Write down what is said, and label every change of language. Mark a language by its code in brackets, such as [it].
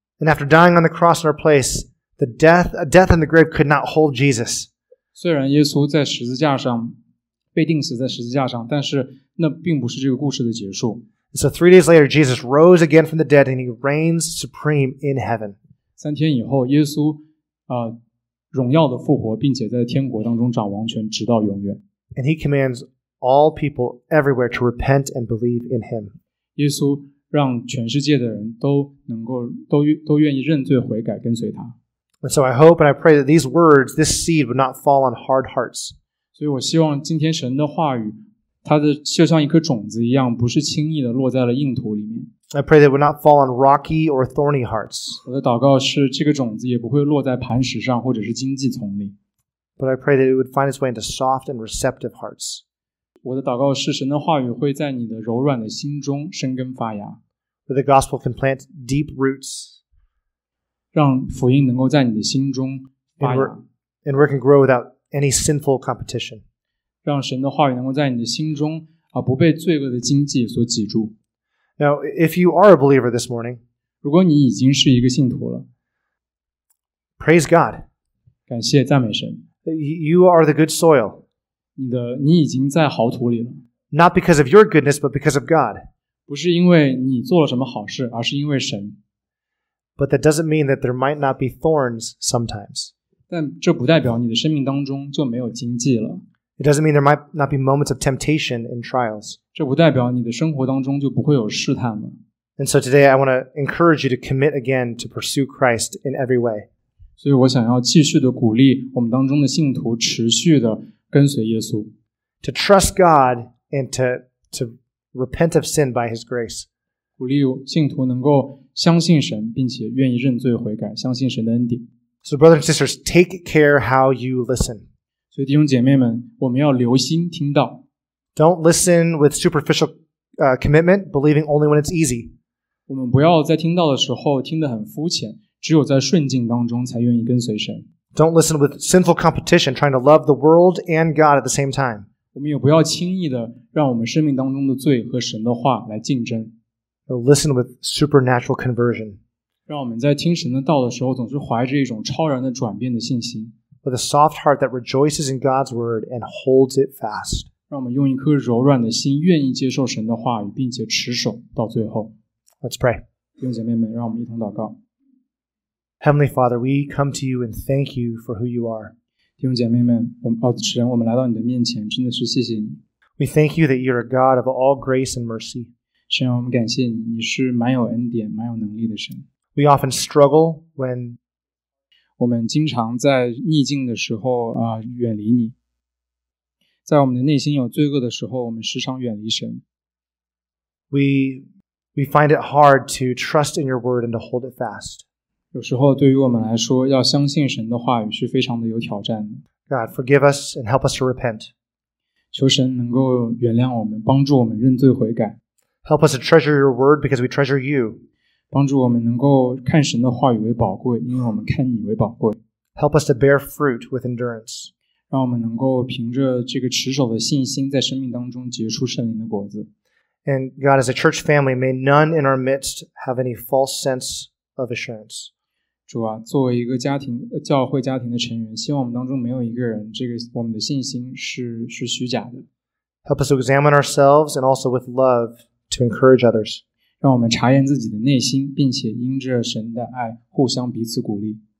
[en] And after dying on the cross in our place, the death in the grave could not hold Jesus. [zh] 虽然耶稣在十字架上被钉死在十字架上，但是那并不是这个故事的结束。 [en] So 3 days later, Jesus rose again from the dead, and he reigns supreme in heaven. [zh] 三天以后，耶稣荣耀的复活，并且在天国当中掌王权，直到永远。 [en] And he commands all people everywhere to repent and believe in him. [zh] 耶稣让全世界的人都愿意认罪悔改，跟随他。 [en] And so I hope and I pray that these words, this seed, would not fall on hard hearts. [zh] 所以我希望今天神的话语，它的就像一颗种子一样，不是轻易的落在了硬土里面。 [en] I pray that it would not fall on rocky or thorny hearts. [zh] 我的祷告是这个种子也不会落在磐石上或者是荆棘丛里。 [en] But I pray that it would find its way into soft and receptive hearts. [zh] 我的祷告是神的话语会在你的柔软的心中生根发芽。 [en] That the gospel can plant deep roots. [zh] 让福音能够在你的心中发芽。 [en] And where it can grow without any sinful competition. [zh] 让神的话语能够在你的心中不被罪恶的荆棘所挤住。 [en] Now, if you are a believer this morning, [zh] 如果你已经是一个信徒了， [en] praise God. [zh] 感谢赞美神。 [en] You are the good soil. [zh] 你已经在好土里了。 [en] Not because of your goodness, but because of God. [zh] 不是因为你做了什么好事，而是因为神。 [en] But that doesn't mean that there might not be thorns sometimes. [zh] 但这不代表你的生命当中就没有荆棘了。 [en] It doesn't mean there might not be moments of temptation and trials. [zh] 这不代表你的生活当中就不会有试探吗？ [en] And so today I want to encourage you to commit again to pursue Christ in every way. [zh] 所以我想要继续的鼓励我们当中的信徒持续的跟随耶稣。 [en] To trust God and to repent of sin by His grace. [zh] 鼓励信徒能够相信神，并且愿意认罪悔改，相信神的恩典。 [en] So brothers and sisters, take care how you listen. [zh] 所以弟兄姐妹们，我们要留心听到。 [en] Don't listen with superficial commitment, believing only when it's easy. [zh] 我们不要在听到的时候听得很肤浅，只有在顺境当中才愿意跟随神。 [en] Don't listen with sinful competition, trying to love the world and God at the same time. [zh] 我们也不要轻易的让我们生命当中的罪和神的话来竞争。 [en] Listen with supernatural conversion. [zh] 让我们在听神的道的时候，总是怀着一种超然的转变的信心。 [en] With a soft heart that rejoices in God's word and holds it fast. [zh] 让我们用一颗柔软的心，愿意接受神的话语，并且持守到最后。 [en] Let's pray. [zh] 弟兄姐妹们，让我们一同祷告。 [en] Heavenly Father, we come to you and thank you for who you are. [zh] 弟兄姐妹们，我们来到你的面前，真的是谢谢你。 [en] We thank you that you're a God of all grace and mercy. [zh] 神，我们感谢你，你是满有恩典、满有能力的神。 [en] We often struggle when [zh] 我们经常在逆境的时候啊、远离你。在我们的内心有罪恶的时候，我们时常远离神。 [en] We find it hard to trust in your word and to hold it fast. [zh] 有时候对于我们来说，要相信神的话语是非常的有挑战的。 [en] God, forgive us and help us to repent. [zh] 求神能够原谅我们，帮助我们认罪悔改。 [en] Help us to treasure your word because we treasure you. [zh] 帮助我们能够看神的话语为宝贵，因为我们看你为宝贵。 [en] Help us to bear fruit with endurance. [zh] 让我们能够凭着这个持守的信心，在生命当中结出圣灵的果子。 [en] And God, as a church family, may none in our midst have any false sense of assurance. [zh] 主啊，作为一个家庭，教会家庭的成员，希望我们当中没有一个人，这个我们的信心是虚假的。 [en] Help us to examine ourselves and also with love to encourage others. [zh] 让我们查验自己的内心，并且因着神的爱互相彼此鼓励。